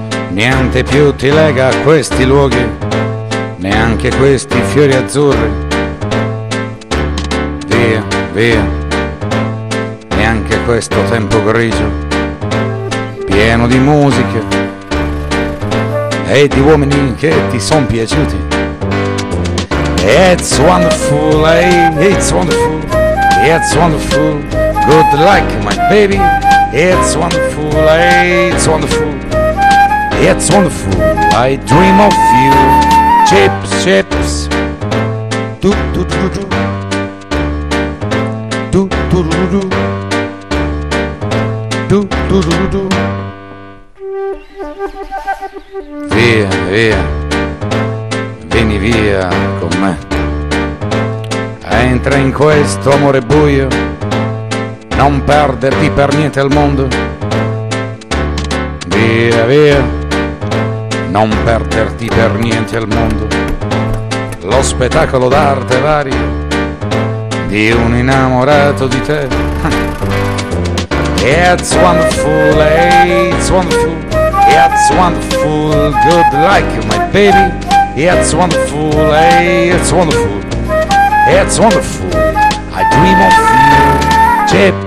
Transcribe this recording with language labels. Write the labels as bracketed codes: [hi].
[it] Niente più ti lega a questi luoghi, neanche questi fiori azzurri. Via, via, neanche questo tempo grigio, pieno di musiche e di uomini che ti son piaciuti. [en] It's wonderful, hey, it's wonderful, it's wonderful, good luck, my baby. It's wonderful, hey, it's wonderful, it's wonderful, I dream of you. Chips, chips, do do do do, do do do do, do do do do. [it] Via, via, vieni via con me. Entra in questo amore buio, non perderti per niente al mondo. Via, via, non perderti per niente al mondo. Lo spettacolo d'arte vario di un innamorato di te. [en] It's wonderful, hey, it's wonderful, it's wonderful, good luck, my baby. It's wonderful, hey, it's wonderful, it's wonderful, I dream of you.